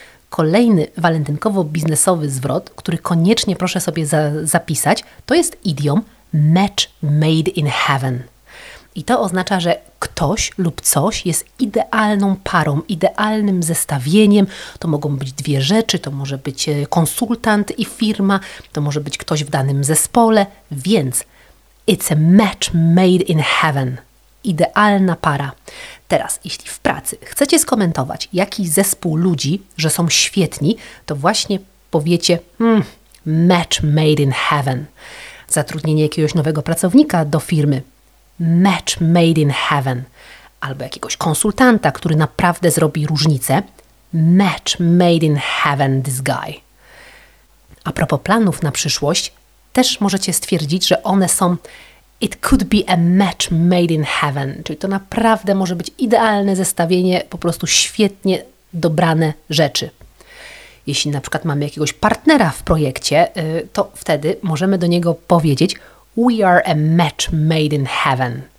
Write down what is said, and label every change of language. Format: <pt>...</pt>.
<pl>Kolejny walentynkowo-biznesowy zwrot, który koniecznie proszę sobie zapisać, to jest idiom</pl> <en>match made in heaven.</en> <pl>I to oznacza, że ktoś lub coś jest idealną parą, idealnym zestawieniem. To mogą być dwie rzeczy, to może być konsultant i firma, to może być ktoś w danym zespole.</pl> <en>Więc it's a match made in heaven.</en> <pl>Idealna para. Teraz, jeśli w pracy chcecie skomentować jakiś zespół ludzi, że są świetni, to właśnie powiecie</pl> <en>match made in heaven.</en> <pl>Zatrudnienie jakiegoś nowego pracownika do firmy.</pl> <en>Match made in heaven.</en> <pl>Albo jakiegoś konsultanta, który naprawdę zrobi różnicę.</pl> <en>Match made in heaven this guy.</en> <pl>A propos planów na przyszłość, też możecie stwierdzić, że one są</pl> <en>it could be a match made in heaven.</en> <pl>Czyli to naprawdę może być idealne zestawienie po prostu świetnie dobrane rzeczy. Jeśli na przykład mamy jakiegoś partnera w projekcie, to wtedy możemy do niego powiedzieć</pl> <en>we are a match made in heaven.</en>